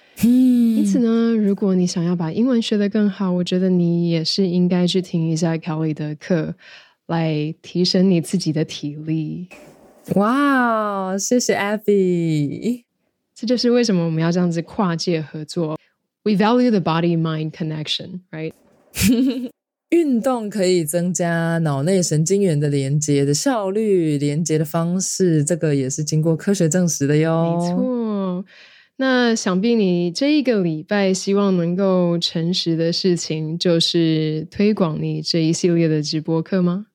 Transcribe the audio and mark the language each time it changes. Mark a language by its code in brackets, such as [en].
[zh] 因此呢，如果你想要把英文学得更好，我觉得你也是应该去听一下 Kelly 的课来提升你自己的体力。哇，谢谢 Abby, 这就是为什么我们要这样子跨界合作。 [en] We value the body-mind connection, right? [zh] 运动可以增加脑内神经元的连接的效率，连接的方式，这个也是经过科学证实的哟。没错，那想必你这一个礼拜希望能够诚实的事情，就是推广你这一系列的直播课吗？